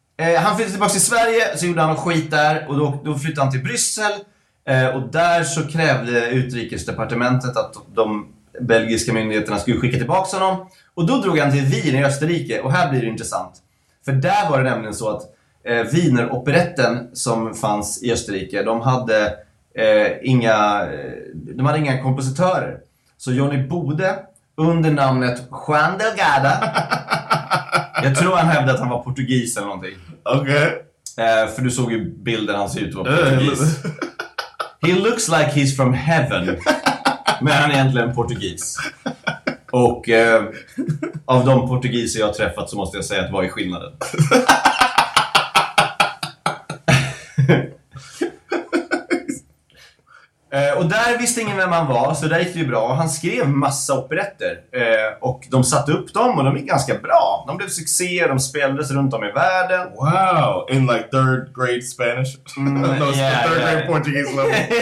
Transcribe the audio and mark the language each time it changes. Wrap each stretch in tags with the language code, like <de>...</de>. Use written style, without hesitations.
<sv>Han flyttade tillbaka till Sverige, så gjorde han skit där, och då flyttade han till Bryssel, och där så krävde utrikesdepartementet att de belgiska myndigheterna skulle skicka tillbaka honom, och då drog han till Wien i Österrike, och här blir det intressant, för där var det nämligen så att Wiener-operetten som fanns i Österrike, de hade inga kompositörer, så Johnny Bode under namnet Juan Delgada. Jag tror han hävdade att han var portugis eller någonting. Okej.</sv> <en>Okay.</en> <sv>För du såg ju bilden, han ser ut att vara portugis.</sv> <en>He looks like he's from heaven.</en> <sv>Men han är egentligen portugis. Och av de portugiser jag har träffat, så måste jag säga att vad är skillnaden? Och där visste ingen vem han var, så där gick det ju bra. Han skrev massa operetter, och de satte upp dem, och de gick ganska bra. De blev succé, de spelades runt om i världen.</sv> <en>Wow, in like third grade Spanish. third grade Portuguese level.</en>